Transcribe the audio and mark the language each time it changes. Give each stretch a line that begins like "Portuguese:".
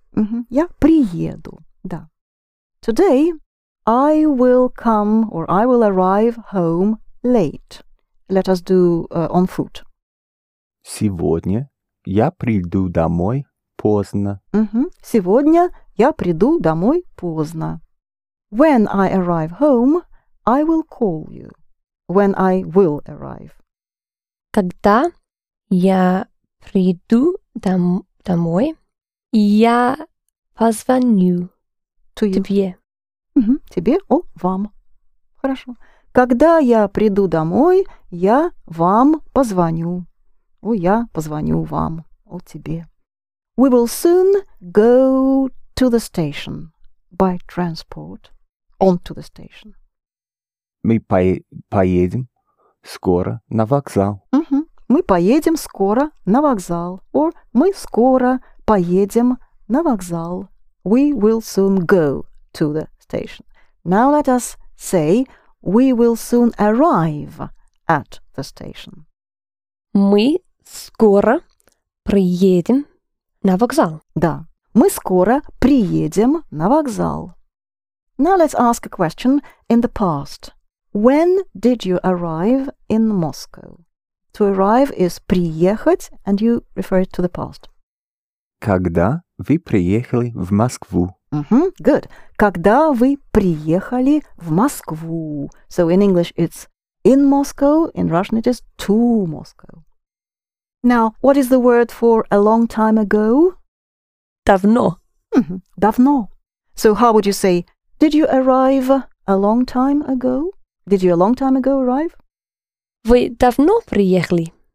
English: Mm-hmm. Я приеду. Да. Today, I will come or I will arrive home late. Let us do on foot.
Russian: Сегодня я приду домой поздно. Mm-hmm. Сегодня я приду домой поздно.
English: When I arrive home, I will call you. When I will arrive.
Russian: Когда я приду домой, я позвоню
English: to you.
Russian: Тебе. Mm-hmm. Тебе, о, вам. Хорошо. Когда я приду домой, я вам позвоню. О, я позвоню вам, о, тебе.
English: We will soon go to the station by transport. On to the station.
Russian: Мы поедем скоро на вокзал. Mm-hmm. Мы поедем скоро на вокзал. Or мы скоро поедем на вокзал.
English: We will soon go to the station. Now let us say, we will soon arrive at the station.
Russian: Мы скоро приедем на вокзал. Да, мы скоро приедем на вокзал.
English: Now let's ask a question in the past. When did you arrive in Moscow? To arrive is приехать, and you refer it to the past.
Russian: Когда вы приехали в Москву?
English: Mm-hmm, good.
Russian: Когда вы приехали в Москву?
English: So in English it's in Moscow, in Russian it is to Moscow. Now, what is the word for a long time ago?
Russian: Давно. Mm-hmm, давно.
English: So how would you say, did you arrive a long time ago? Did you a long time ago arrive?
Russian: Вы давно приехали.